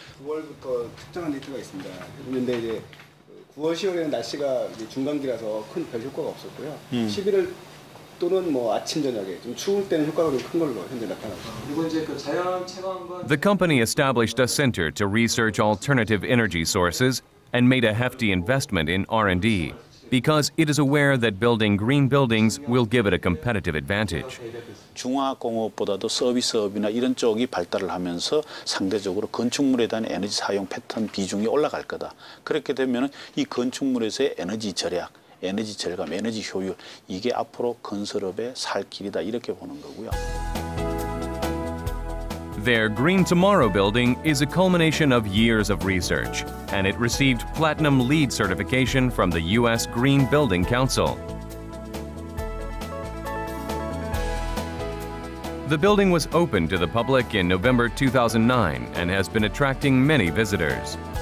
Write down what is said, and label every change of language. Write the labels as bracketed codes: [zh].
[ko] 9월부터 특정한 데이터가 있습니다. 그런데 이제 9월, 10월에는 날씨가 이제 중간기라서 큰 별 효과가 없었고요. 11월 또는 뭐 아침 저녁에 좀 추울 때는 효과가 좀 큰 걸로 현재 나타나고. 그리고 이제 그 자연 체감과. [en] The company established a center to research alternative energy sources and made a hefty investment in R&D. Because it is aware that building green buildings will give it a competitive advantage. [ko] 중화공업보다도 서비스업이나 이런 쪽이 발달을 하면서 상대적으로 건축물에 대한 에너지 사용 패턴 비중이 올라갈 거다. 그렇게 되면 이 건축물에서의 에너지 절약, 에너지 절감, 에너지 효율 이게 앞으로 건설업의 살 길이다 이렇게 보는 거고요. [en] Their Green Tomorrow building is a culmination of years of research, and it received platinum LEED certification from the U.S. Green Building Council. The building was opened to the public in November 2009 and has been attracting many visitors.